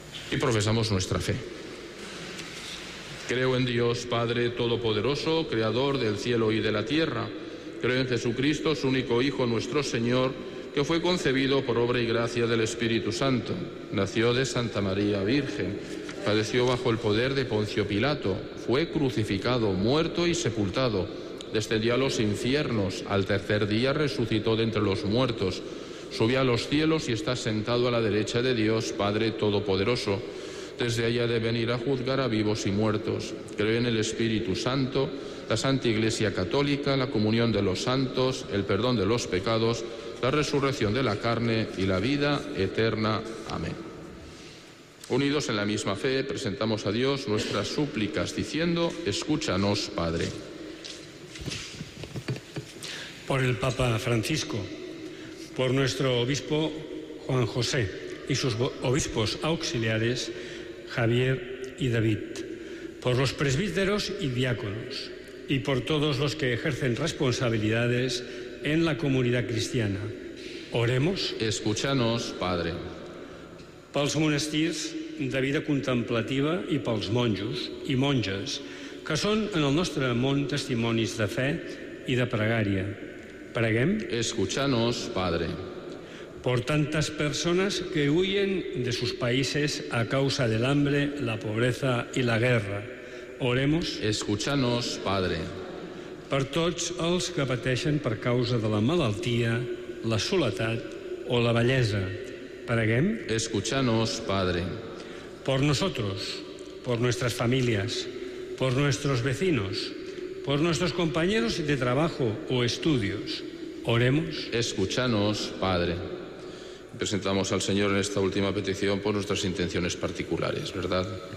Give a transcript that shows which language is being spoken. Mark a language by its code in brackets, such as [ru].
[es] Y profesamos nuestra fe. Creo en Dios, Padre Todopoderoso, Creador del cielo y de la tierra. Creo en Jesucristo, su único Hijo, nuestro Señor, que fue concebido por obra y gracia del Espíritu Santo. Nació de Santa María Virgen. Padeció bajo el poder de Poncio Pilato. Fue crucificado, muerto y sepultado. Descendió a los infiernos. Al tercer día resucitó de entre los muertos. Subió a los cielos y está sentado a la derecha de Dios, Padre Todopoderoso. Desde allá de venir a juzgar a vivos y muertos. Creo en el Espíritu Santo, la Santa Iglesia Católica, la comunión de los santos, el perdón de los pecados, la resurrección de la carne y la vida eterna. Amén. Unidos en la misma fe, presentamos a Dios nuestras súplicas, diciendo: escúchanos, Padre. Por el Papa Francisco, por nuestro obispo Juan José y sus obispos auxiliares, Javier y David, por los presbíteros y diáconos, y por todos los que ejercen responsabilidades en la comunidad cristiana. Oremos. Escúchanos, Padre. [ca] Pels monestirs de vida contemplativa i pels monjos i monges, que són en el nostre món testimonis de fe i de pregària. Preguem. [es] Escúchanos, Padre. Por tantas personas que huyen de sus países a causa del hambre, la pobreza y la guerra. Oremos. Escúchanos, Padre. [ca] Per tots els que pateixen per causa de la malaltia, la soledat o la vellesa. Preguem. [es] Escúchanos, Padre. Por nosotros, por nuestras familias, por nuestros vecinos, por nuestros compañeros de trabajo o estudios. Oremos. Escúchanos, Padre. Presentamos al Señor en esta última petición por nuestras intenciones particulares, ¿verdad?